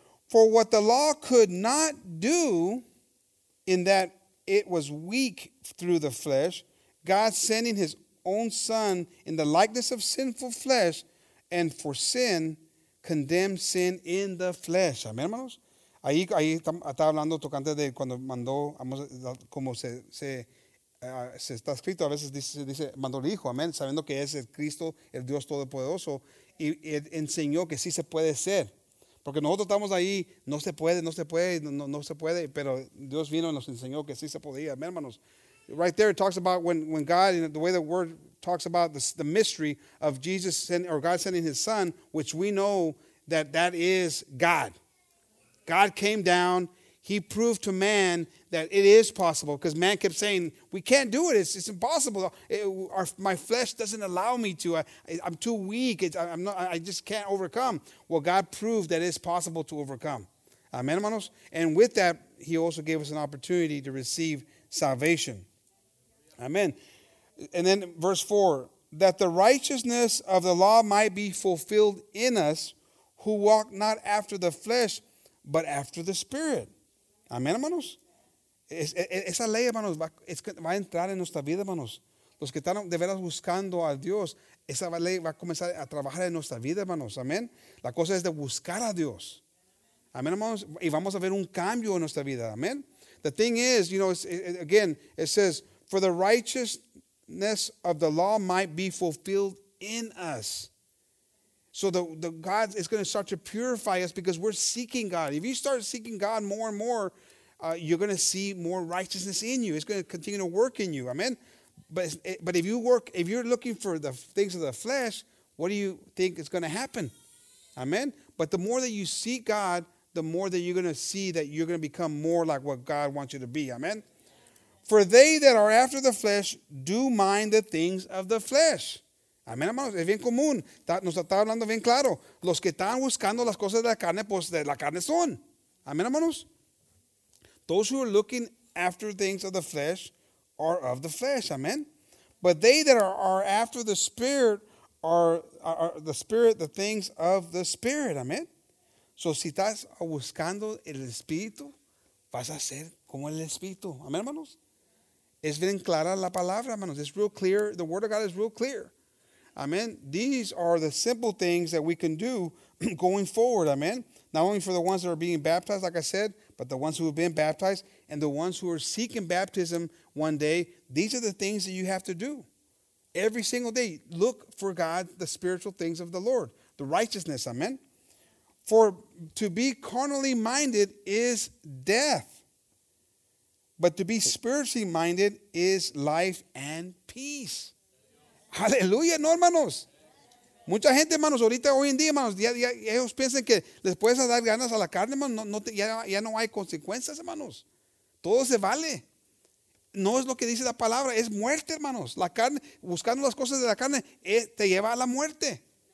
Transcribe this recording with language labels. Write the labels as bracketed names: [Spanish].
[English] For what the law could not do in that it was weak through the flesh, God sending his own son in the likeness of sinful flesh and for sin, condemned sin in the flesh. [Spanish] Amén, hermanos. Ahí está hablando tocante de cuando mandó, como se está escrito, a veces dice mandó el Hijo, amén, sabiendo que es el Cristo, el Dios Todopoderoso, y enseñó que sí se puede ser. Porque nosotros estamos ahí, no se puede, no se puede, no, no se puede, pero Dios vino y nos enseñó que sí se podía. Amen, hermanos. [English] Right there it talks about when God, you know, the way the word talks about the mystery of Jesus or God sending his son, which we know that is God. God came down, He proved to man that it is possible, because man kept saying, we can't do it. It's impossible. My flesh doesn't allow me to. I'm too weak. I just can't overcome. Well, God proved that it's possible to overcome. Amen, hermanos? And with that, he also gave us an opportunity to receive salvation. Amen. And then verse 4, that the righteousness of the law might be fulfilled in us who walk not after the flesh, but after the Spirit. [Spanish] Amén, hermanos. Esa ley, hermanos, va a entrar en nuestra vida, hermanos. Los que están de veras buscando a Dios, esa ley va a comenzar a trabajar en nuestra vida, hermanos. Amén. La cosa es de buscar a Dios. Amén, hermanos. Y vamos a ver un cambio en nuestra vida. Amén. [English] The thing is, you know, it says, for the righteousness of the law might be fulfilled in us. So the God is going to start to purify us because we're seeking God. If you start seeking God more and more, you're going to see more righteousness in you. It's going to continue to work in you. Amen. But if you're looking for the things of the flesh, what do you think is going to happen? Amen. But the more that you seek God, the more that you're going to see that you're going to become more like what God wants you to be. Amen. For they that are after the flesh do mind the things of the flesh. [Spanish] Amén, hermanos, es bien común, nos está hablando bien claro. Los que están buscando las cosas de la carne, pues de la carne son. Amén, hermanos. [English] Those who are looking after things of the flesh are of the flesh, amen. But they that are after the Spirit are the Spirit, the things of the Spirit, amen. [Spanish] So si estás buscando el Espíritu, vas a ser como el Espíritu. Amén, hermanos. Es bien clara la palabra, hermanos. [English] It's real clear, the Word of God is real clear. Amen. These are the simple things that we can do going forward. Amen. Not only for the ones that are being baptized, like I said, but the ones who have been baptized and the ones who are seeking baptism one day. These are the things that you have to do every single day. Look for God, the spiritual things of the Lord, the righteousness. Amen. For to be carnally minded is death, but to be spiritually minded is life and peace. [Spanish] Aleluya, no, hermanos. Mucha gente, hermanos, ahorita, hoy en día, hermanos, ya ellos piensan que les puedes dar ganas a la carne, hermanos. Ya no hay consecuencias, hermanos. Todo se vale. No es lo que dice la palabra, es muerte, hermanos. La carne, buscando las cosas de la carne, te lleva a la muerte.